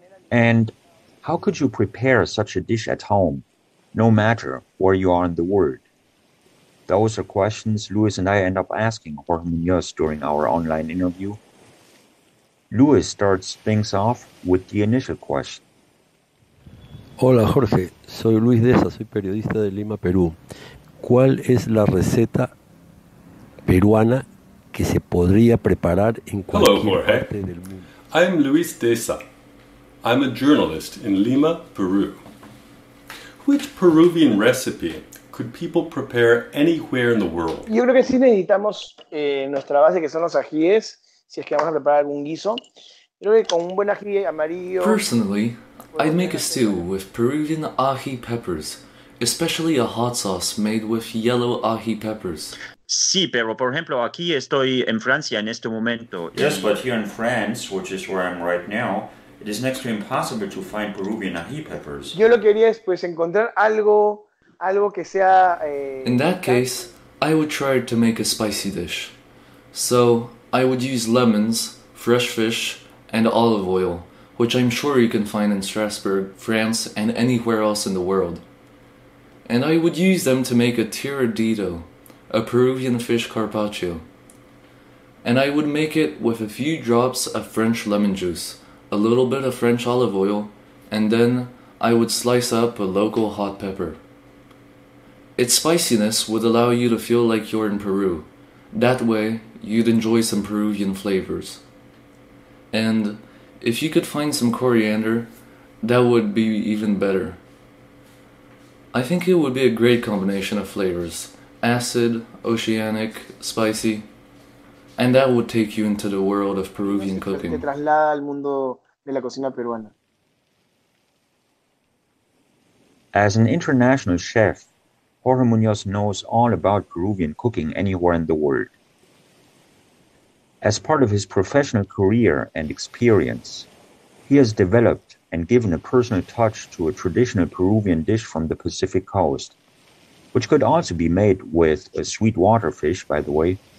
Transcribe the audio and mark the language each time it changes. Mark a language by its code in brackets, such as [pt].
[en] And how could you prepare such a dish at home, no matter where you are in the world? Those are questions Luis and I end up asking Jorge Muñoz during our online interview. Luis starts things off with the initial question. [es] Hola Jorge, soy Luis Deza, soy periodista de Lima, Perú. ¿Cuál es la receta peruana que se podría preparar en cualquier parte del mundo? [en] Hello Jorge, I'm Luis Deza. I'm a journalist in Lima, Peru. Which Peruvian recipe could people prepare anywhere in the world? [es] Yo creo que sí necesitamos nuestra base, que son los ajíes, si es que vamos a preparar algún guiso. Creo que con un buen ají amarillo... [en] Personally, I'd make a stew with Peruvian ají peppers, especially a hot sauce made with yellow ají peppers. [es] Sí, pero por ejemplo, aquí estoy en Francia en este momento. [en] Yes, but here in France, which is where I'm right now, it is next to impossible to find Peruvian ají peppers. [es] Yo lo que haría es pues encontrar algo que sea... [en] In that case, I would try to make a spicy dish. So, I would use lemons, fresh fish, and olive oil, which I'm sure you can find in Strasbourg, France, and anywhere else in the world. And I would use them to make a tiradito, a Peruvian fish carpaccio. and I would make it with a few drops of French lemon juice, a little bit of French olive oil, and then I would slice up a local hot pepper. Its spiciness would allow you to feel like you're in Peru. That way, you'd enjoy some Peruvian flavors. And if you could find some coriander, that would be even better. I think it would be a great combination of flavors. Acid, oceanic, spicy. And that would take you into the world of Peruvian cooking. [es] Te traslada al mundo de la cocina peruana. [en] As an international chef, Jorge Muñoz knows all about Peruvian cooking anywhere in the world. As part of his professional career and experience, he has developed and given a personal touch to a traditional Peruvian dish from the Pacific coast, which could also be made with a sweet water fish, by the way.